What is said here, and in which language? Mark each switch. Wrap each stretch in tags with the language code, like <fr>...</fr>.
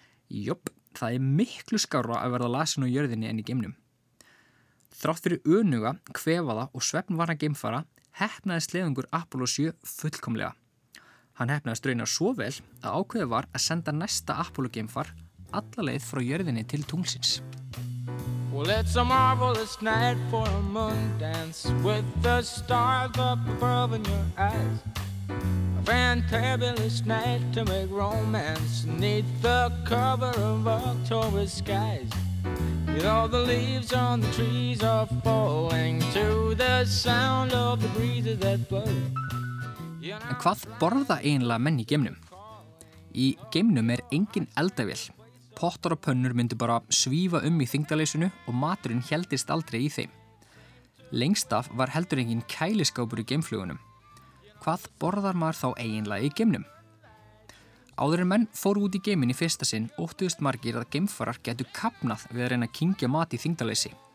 <is>Jóp, það miklu skárra að verða lasin á jörðinni en í geimnum. Þrátt fyrir önuga, kvefaða og svefnvana geimfara hefnaði sleðungur Apollo 7 fullkomlega. Hann hefnaði strauna svo vel að ákveðið var að senda næsta Apollo geimfar alla leið frá jörðinni til tunglsins.</is> <en>Well, it's a marvelous night for a moon dance with the stars up above in your eyes. A fantabulous night to make romance neath the cover of October skies. You know the leaves on the trees are falling to the sound of the breezes that blow.</en> <is>En hvað borða eiginlega menn í geimnum? Í geimnum engin eldavél. Pottar og pönnur myndu bara svífa í þyngdaleysinu og maturinn heldist aldrei í þeim. Lengst af var heldur engin kæliskápur í geimflugunum. hvað borðar maður þá eiginlega í geimnum? Áður en menn fóru út í geiminn í fyrsta sinn óttuðust margir að geimfarar gætu kafnað við að reyna að kyngja mat í þyngdarleysi.</is>